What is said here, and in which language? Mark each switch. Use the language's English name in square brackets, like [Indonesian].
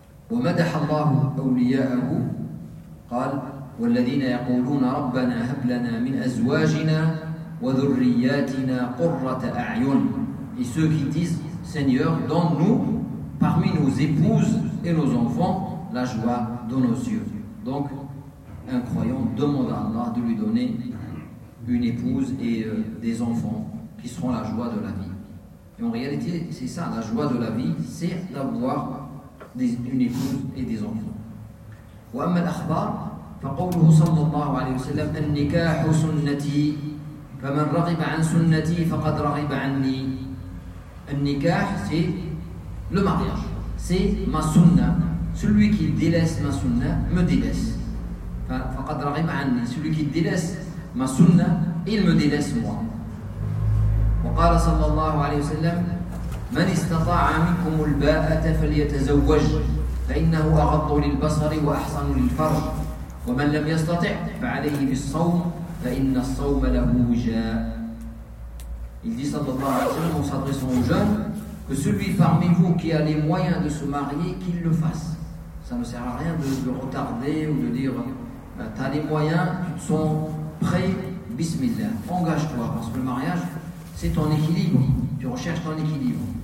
[Arabic] وَمَدَحَ اللَّهُ أَوْلِيَاءَهُ قَالْ والذين يقولون ربنا هب لنا من أزواجنا وذرياتنا قرة أعين [French] et ceux qui disent Seigneur donne-nous parmi nos épouses et nos enfants la joie de nos yeux. Donc un croyant demande à Allah de lui donner une épouse et des enfants qui seront la joie de la vie. Et en réalité c'est ça, la joie de la vie c'est d'avoir une épouse et des enfants. [Arabic] وأما الأخبار فقوله صلى الله عليه وسلم النكاح سنتي فمن رغب عن سنتي فقد رغب عني النكاح [French] سي لو مارياج سي ما سنة celui qui délaisse ma sunna me délaisse [Arabic] فقد رغم عني. [French] Celui qui délaisse ma sunna, il me délaisse moi. [Arabic] وقال صلى الله عليه وسلم من استطاع منكم الباءة فليتزوج فإنه أغض للبصر وأحسن للفرج ومن لم يستطع فعليه بالصوم فإن الصوم له وجاء. [French] Il dit صلى الله عليه وسلم en s'adressant aux jeunes que celui parmi vous qui a les moyens de se marier qu'il le fasse. Ça ne sert à rien de le retarder ou de dire bah, t'as les moyens, tu te sens prêt, bismillah, engage-toi parce que le mariage c'est ton équilibre, tu recherches ton équilibre.